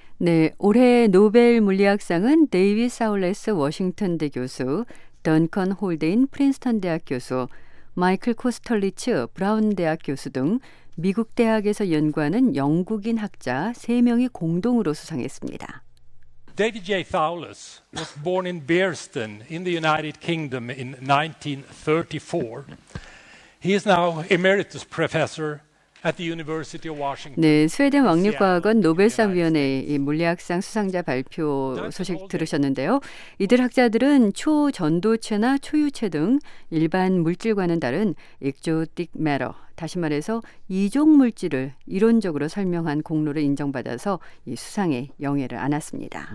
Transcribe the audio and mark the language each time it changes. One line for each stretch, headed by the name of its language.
Korean: 네, 올해 노벨 물리학상은 데이비 사울레스 워싱턴 대 교수, 던컨 홀드인 프린스턴 대학 교수, 마이클 코스털리츠 브라운 대학 교수 등 미국 대학에서 연구하는 영국인 학자 3명이 공동으로 수상했습니다.
English: David J. Thouless was born in Bearsden in the United Kingdom in 1934. He is now emeritus professor at the University of Washington.
Korean: 네, 스웨덴 왕립과학원 노벨상 위원회의 물리학상 수상자 발표 소식 들으셨는데요. 이들 학자들은 초전도체나 초유체 등 일반 물질과는 다른 exotic matter, 다시 말해서 이종 물질을 이론적으로 설명한 공로를 인정받아서 이 수상에 영예를 안았습니다.